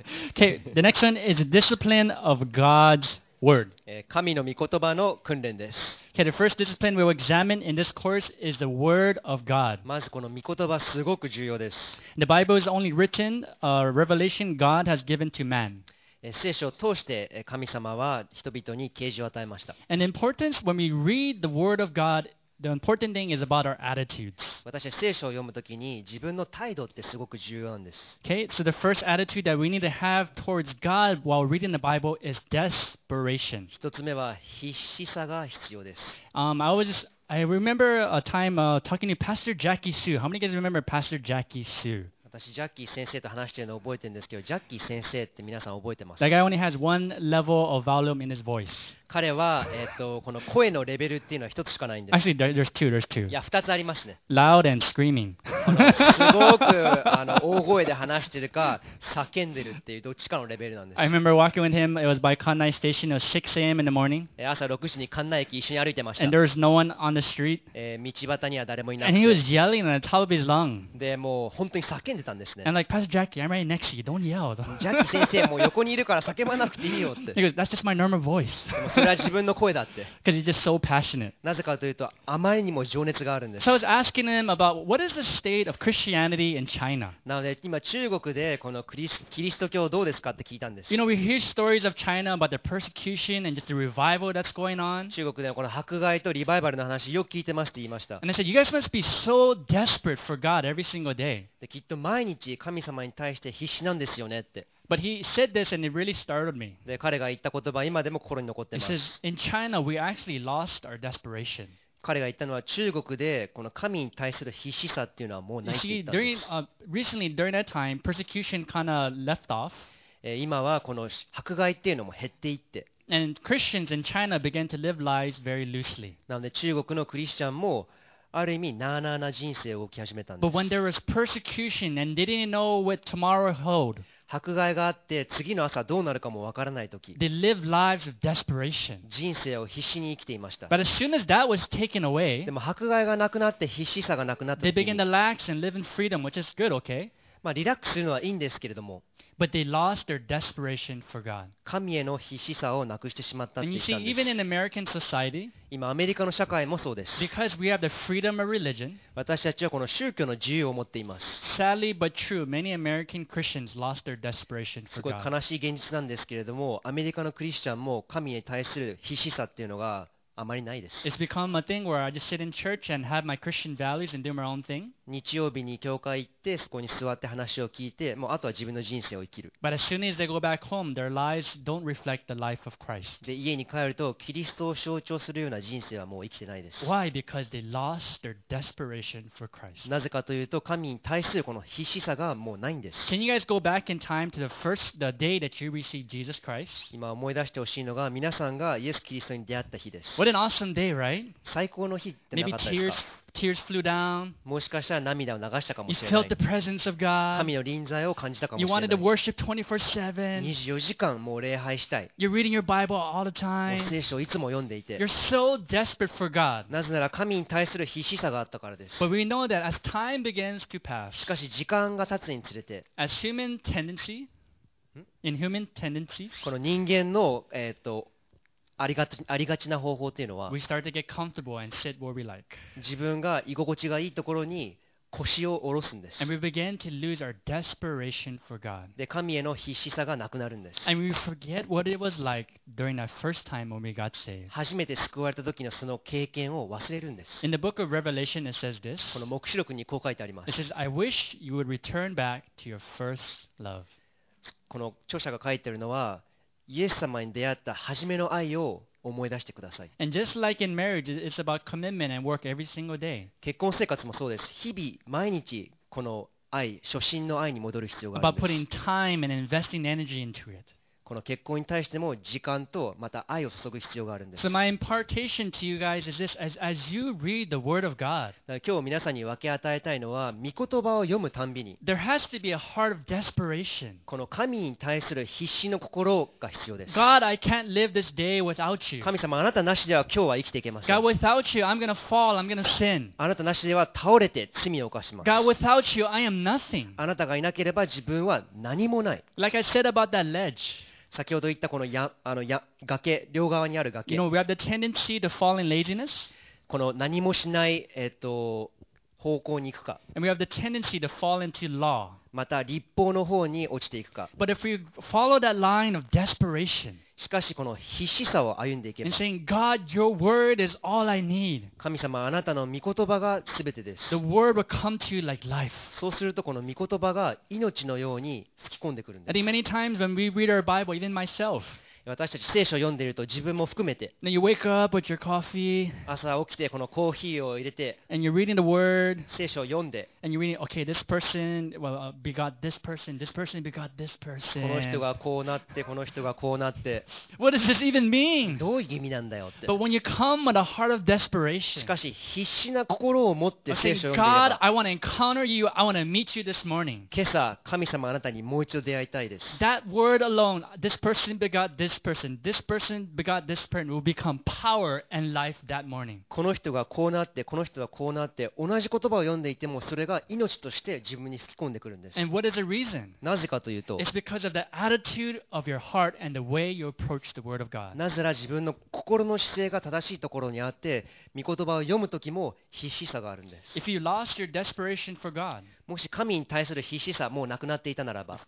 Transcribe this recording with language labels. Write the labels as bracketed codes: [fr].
[en] Okay, the next one is discipline of God's word. [ja] 神の御言葉の訓練です。 [en] Okay, the first discipline we will examine in this course is the word of God. [ja] まずこの御言葉すごく重要です。 [en] The Bible is only written a revelation God has given to man. [ja] 聖書を通して神様は人々に啓示を与えました。 [en] And importance when we read the word of God is The important thing is about our attitudes. [ja] 私は聖書を読むときに自分の態度ってすごく重要なんです。 [en] Okay, so the first attitude that we need to have towards God while reading the Bible is desperation. [ja] 一つ目は必死さが必要です。 [en] I remember a time talking to Pastor Jackie Su. How many of you guys remember Pastor Jackie Su? [ja] 私ジャッキー先生と話しているのを覚えてるんですけど、ジャッキー先生って皆さん覚えてますか? [en] That guy only has one level of volume in his voice. [ja] 彼は、この声のレベルっていうのは一つしかないんです。 [en] Actually, there's two. [ja] いや、二つありますね。 [en] Loud and screaming. [ja] すごく大声で話してるか、叫んでるっていうどっちかのレベルなんです。 [en] I remember walking with him. It was by Kannai Station. It was 6 a.m. in the morning. [ja] 朝6時に関内駅一緒に歩いてました。 [en] And there was no one on the street. [ja] 道端には誰もいなくて。 [en] And he was yelling on the top of his lung. [ja] で、もう本当に叫んでたんですね。 [en] And like, Pastor Jackie, I'm right next to you. Don't yell. [ja] ジャッキー先生も横にいるから叫ばなくていいよって。 [en] He goes, that's just my normal voice. [ja] それは自分の声だって。 [en] Because he's just so passionate. [ja] なぜかというとあまりにも情熱があるんです。 [en] So I was asking him about what is the state of Christianity in China. [ja] なので今中国でこのキリスト教どうですかって聞いたんです。 [en] You know, we hear stories of China about the persecution and just the revival that's going on. [ja] 中国ではこの迫害とリバイバルの話よく聞いてますって言いました。 [en] And I said, you guys must be so desperate for God every single day. [ja] できっと毎日神様に対して必死なんですよねって。 [en] But he said this and it really startled me. [ja] で、彼が言った言葉、今でも心に残ってます。 [en] He says, in China, we actually lost our desperation. [ja] 彼が言ったのは、中国でこの神に対する必死さっていうのはもうないって言ったんです。 [en] You see, recently, during that time, persecution kind of left off. [ja] 今はこの迫害っていうのも減っていって。 [en] And Christians in China began to live lives very loosely. [ja] なので、中国のクリスチャンも、ある意味なあなあな人生を動き始めたんです。 [en] But when there was persecution and they didn't know what tomorrow held, [ja] 迫害があって次の朝どうなるかもわからないとき、 [en] they lived lives of desperation. [ja] 人生を必死に生きていました。 [en] But as soon as that was taken away, [ja] でも迫害がなくなって必死さがなくなった時に、 [en] they began to relax and live in freedom, which is good, okay? [ja] まあリラックスするのはいいんですけれども、 [en] But they lost their desperation for God. [ja] 神への必死さをなくしてしまったって言ったんです。 [en] And you see, even in American society, [ja] 今アメリカの社会もそうです。 [en] Because we have the freedom of religion, [ja] 私たちはこの宗教の自由を持っています。 [en] Sadly but true, many American Christians lost their desperation for God. [ja] すごい悲しい現実なんですけれども、アメリカのクリスチャンも神に対する必死さっていうのがあまりないです。 [en] It's become a thing where I just sit in church and have my Christian values and do my own thing. [ja] 日曜日に教会行ってそこに座って話を聞いて、もうあとは自分の人生を生きる。 [en] But as soon as they go back home, their lives don't reflect the life of Christ. [ja] で、家に帰るとキリストを象徴するような人生はもう生きてないです。 [en] Why? Because they lost their desperation for Christ. [ja] なぜかというと神に対するこの必死さがもうないんです。 [en] Can you guys go back in time to the day that you received Jesus Christ? [ja] 今思い出してほしいのが皆さんがイエス・キリストに出会った日です。 [en] What an awesome day, right? [ja] 最高の日ってなかったですか? [en] Maybe tears flew down. [ja] もしかしたら涙を流したかもしれない。 [en] You felt the presence of God. [ja] 神の臨在を感じたかもしれない。 [en] You wanted to worship 24/7. [ja] 24時間もう礼拝したい。 [en] You're reading your Bible all the time. [ja] 聖書をいつも読んでいて。 [en] You're so desperate for God. [ja] なぜなら神に対する必死さがあったからです。 [en] But we know that as time begins to pass, [ja] しかし時間が経つにつれて、 [en] as human tendency, in human tendencies, [ja] この人間のありがちな方法というのは、 [en] we start to get comfortable and sit where we like. [ja] 自分が居心地がいいところに腰を下ろすんです。 [en] And we begin to lose our desperation for God. [ja] で、神への必死さがなくなるんです。 [en] And we forget what it was like during that first time when we got saved. [ja] 初めて救われた時のその経験を忘れるんです。 [en] In the book of Revelation, it says this. [ja] この黙示録にこう書いてあります。 [en] It says, I wish you would return back to your first love. [ja] この著者が書いてるのは、イエス様に出会った初めの愛を思い出してください。 [en] And just like in marriage, it's about commitment and work every single day. [ja] 結婚生活もそうです。日々毎日この愛、初心の愛に戻る必要があります。 [en] About putting time and investing energy into it. [ja] この結婚に対しても時間とまた愛を注ぐ必要があるんです。 [en] So my impartation to you guys is this: as you read the Word of God. [ja] 今日皆さんに分け与えたいのは、御言葉を読むたんびに、 [en] There has to be a heart of desperation. [ja] この神に対する必死の心が必要です。 [en] God, I can't live this day without you. [ja] 神様、あなたなしでは今日は生きていけません。 [en] God, without you, I'm gonna fall. I'm gonna sin. [ja] あなたなしでは倒れて罪を犯します。 [en] God, without you, I am nothing. [ja] あなたがいなければ自分は何もない。 [en] Like I said about that ledge. [ja] 先ほど言ったこの崖、両側にある崖。 [en] You know, we have the tendency to fall in laziness. [ja] この何もしない、方向に行くか。 [en] And we have the tendency to fall into law. [ja] また立法の方に落ちていくか。 [en] But if we follow that line of desperation, [ja] しかしこの必死さを歩んでいけば。 [en] And saying, God, your word is all I need. [ja] 神様、あなたの御言葉が全てです。 [en] The word will come to you like life. [ja] そうするとこの御言葉が命のように吹き込んでくるんです。 [en] I think many times when we read our Bible, even myself, [ja] 私たち聖書を読んでいると自分も含めて。 [en] Then you wake up with your coffee. [ja] 朝起きてこのコーヒーを入れて。 [en] And you're reading the word. [ja] 聖書を読んで。 [en] And you're reading, okay, this person, well, begot this person, this person begot this person. [ja] この人がこうなって、この人がこうなって。 [en] What does this even mean? [ja] どういう意味なんだよって。 [en] But when you come with a heart of desperation. [ja] しかし必死な心を持って聖書を読んでいれば。 [en] God, I want to encounter you. I want to meet you this morning. [ja] 今朝神様あなたにもう一度出会いたいです。 [en] That word alone, this person begot this person. This person begot this person will become power and life that morning. [ja] この人がこうなって、この人がこうなって、同じ言葉を読んでいても、それが命として自分に吹き込んでくるんです。 [en] And what is the reason? [ja] なぜかというと、 [en] It's because of the attitude of your heart and the way you approach the word of God. [ja] なぜなら自分の心の姿勢が正しいところにあって、御言葉を読むときも必死さがあるんです。 [en] If you lost your desperation for God, [ja] もし神に対する必死さもうなくなっていたならば、